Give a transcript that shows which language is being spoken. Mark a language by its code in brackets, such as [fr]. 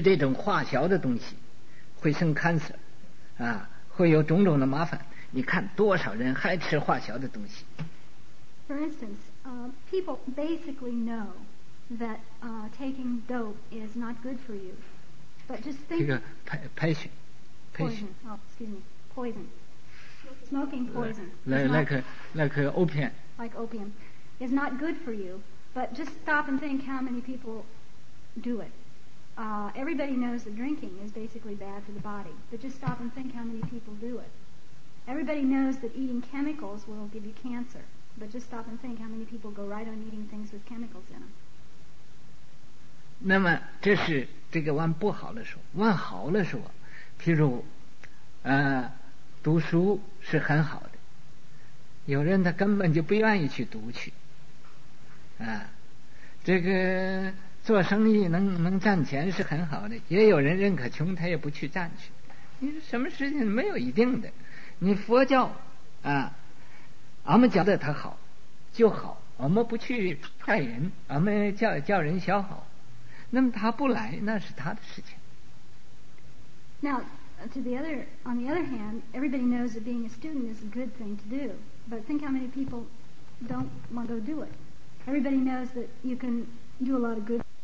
[zh] 去抽烟喝酒，人人现在都知道吃这种化学的东西会生 cancer， 会有种种的麻烦。你看多少人还吃化学的东西 [en] ？For instance, people basically know that taking dope is not good for you, but just think. [zh] 这个 poison. [en] Excuse me, poison. Smoking poison. Like opium. Like opium. is not good for you, but just stop and think how many people do it. Everybody knows that drinking is basically bad for the body, but just stop and think how many people do it. Everybody knows that eating chemicals will give you cancer, but just stop and think how many people go right on eating things with chemicals in them. [zh] 那么这是这个往不好的说，往好的说，譬如读书是很好的，有人他根本就不愿意去读去啊，这个做生意能赚钱是很好的，也有人认可穷他也不去赚去，你说什么事情没有一定的。你佛教啊，俺们觉得他好就好，我们不去害人，俺们叫人消好，那么他不来那是他的事情。 [en] Now on the other hand, everybody knows that being a student is a good thing to do, but think how many people don't want to go do it. Everybody knows that you can do a lot of good.